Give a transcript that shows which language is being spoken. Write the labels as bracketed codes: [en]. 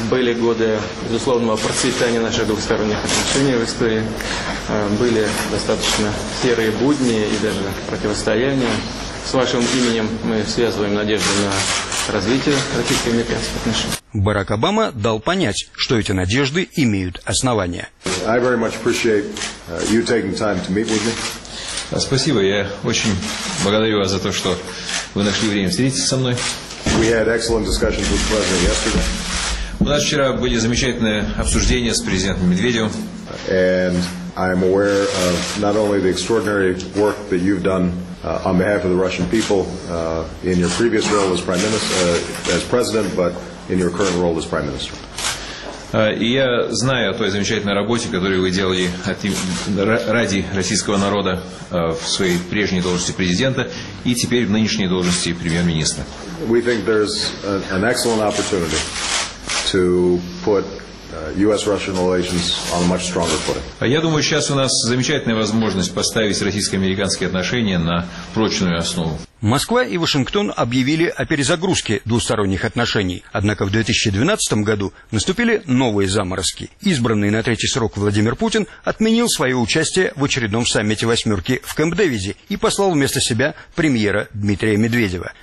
[ru] Были годы безусловного процветания наших двусторонних отношений в истории. Были достаточно серые будни и даже противостояния. С вашим именем мы связываем надежды на развитие российско-американских отношений. Барак Обама дал понять, что эти надежды имеют основания. [en] I very much appreciate you taking time to meet with me. [ru] Спасибо, я очень благодарю вас за то, что вы нашли время встретиться со мной. [en] We had excellent discussions with President yesterday. [ru] У нас вчера были замечательные обсуждения с президентом Медведевым. [en] And I'm aware of not only the extraordinary work that you've done on behalf of the Russian people in your previous role as prime minister, as president, but in your current role as prime minister. [ru] И я знаю о той замечательной работе, которую вы делали ради российского народа в своей прежней должности президента и теперь в нынешней должности премьер-министра. [en] We think there's an excellent opportunity to put US-Russian relations on a much stronger footing. [ru] Я думаю, сейчас у нас замечательная возможность поставить российско-американские отношения на прочную основу. Москва и Вашингтон объявили о перезагрузке двусторонних отношений. Однако в 2012 году наступили новые заморозки. Избранный на третий срок Владимир Путин отменил свое участие в очередном саммите «восьмерки» в Кэмп-Дэвиде и послал вместо себя премьера Дмитрия Медведева.